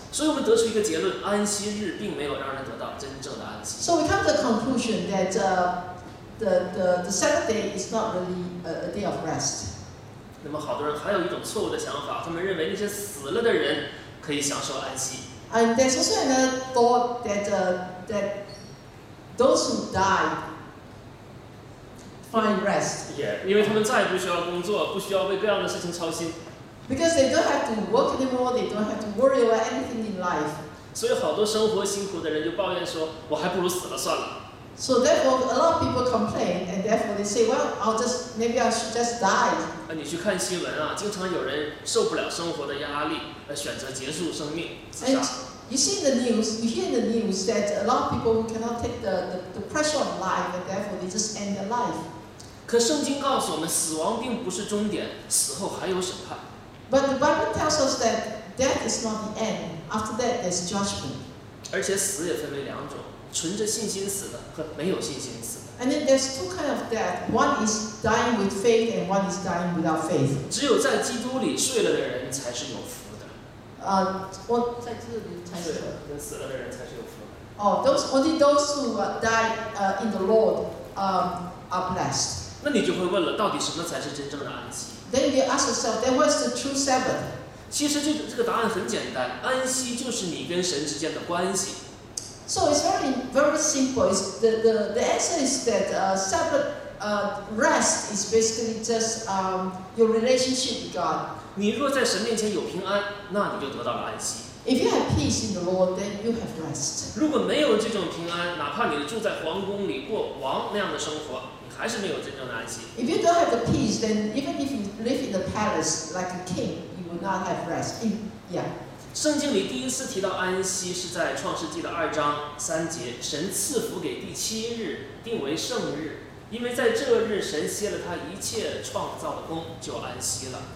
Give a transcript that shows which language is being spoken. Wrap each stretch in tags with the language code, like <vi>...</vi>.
<zh>所以我们得出一个结论，安息日并没有让人得到真正的安息。</zh> <en>So we come to the conclusion that the Sabbath day is not really a day of rest.</en> <zh>那么好多人还有一种错误的想法，他们认为那些死了的人可以享受安息。</zh> <en>And there's also another thought that that those who die find rest.</en> <zh>Yeah, 因为他们再不需要工作，不需要为各样的事情操心。</zh> <en>Because they don't have to work anymore, they don't have to worry about anything in life.</en> <zh>所以好多生活辛苦的人就抱怨说，我还不如死了算了。</zh> <en>So therefore, a lot of people complain, and therefore they say, well, I should just die.</en> <zh>你去看新闻啊，经常有人受不了生活的压力，选择结束生命。</zh> <en>And you see in the news, you hear in the news that a lot of people who cannot take the pressure of life, and therefore they just end their life.</en> <zh>可圣经告诉我们，死亡并不是终点，死后还有审判。</zh> <en>But the Bible tells us that death is not the end. After that, there's judgment.</en> <zh>而且死也分为两种，存着信心死的和没有信心死的。</zh> <en>And then there's two kinds of death. One is dying with faith, and one is dying without faith.</en> <zh>只有在基督里睡了的人才是有福的。在基督里才是死了的人才是有福的。</zh> <en>哦、those who die in the Lord are blessed.</en> <zh>那你就会问了，到底什么才是真正的安息？</zh> <en>Then you ask yourself, then what's the true Sabbath?</en> <zh>其实这个答案很简单，安息就是你跟神之间的关系。</zh> <en>So it's very simple. It's the answer is that Sabbath rest is basically just your relationship with God.</en> <zh>你若在神面前有平安，那你就得到了安息。</zh> <en>If you have peace in the Lord, then you have rest.</en> <zh>如果没有这种平安，哪怕你住在皇宫里过王那样的生活。还是没有真正的安息。</zh> <en>If you don't have the peace, then even if you live in the palace like a king, you will not have rest. Yeah.</en> <zh>圣经里第一次提到安息是在创世纪的二章三节，神赐福给第七日，定为圣日，因为在这日神歇了他一切创造的工，就安息了。</zh>